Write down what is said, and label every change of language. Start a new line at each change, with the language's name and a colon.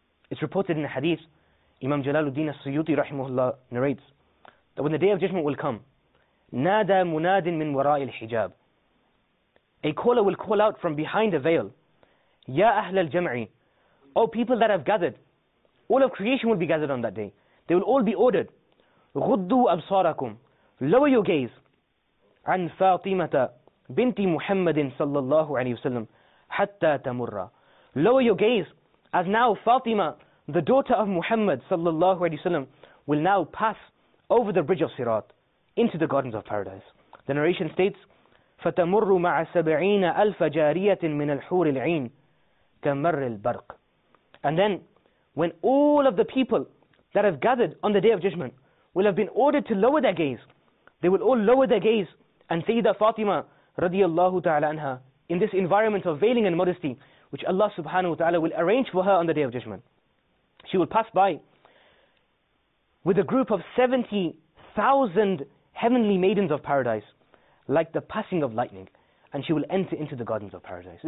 English: It's reported in the hadith, Imam Jalaluddin As-Suyuti rahimahullah narrates that when the Day of Judgment will come,
Arabic: Nada munadin min wara'i al-hijab,
English: a caller will call out from behind a veil,
Arabic: Ya ahl al-jam'i,
English: O people that have gathered, all of creation will be gathered on that day. They will all be ordered,
Arabic: غُدُّوا أَبْصَارَكُمْ,
English: lower your gaze,
Arabic: عَنْ فَاطِمَةَ بِنْتِ مُحَمَّدٍ صَلَّى اللَّهُ عَلَيْهِ وَسَلَّمْ حَتَّى تَمُرَّ.
English: Lower your gaze, as now Fatima, the daughter of Muhammad صَلَّى اللَّهُ عَلَيْهِ وَسَلَّمْ, will now pass over the bridge of Sirat into the gardens of paradise. The narration states,
Arabic: فَتَمُرُّ مَعَ سَبْعِينَ أَلْفَ جَارِيَةٍ مِنَ الْحُورِ الْعِينِ كَمَرِّ الْبَرْقِ.
English: And then, when all of the people that have gathered on the Day of Judgment will have been ordered to lower their gaze, they will all lower their gaze, and Sayyida Fatima radiallahu ta'ala anha, in this environment of veiling and modesty, which Allah subhanahu wa ta'ala will arrange for her on the Day of Judgment, she will pass by with a group of 70,000 heavenly maidens of paradise, like the passing of lightning, and she will enter into the gardens of paradise.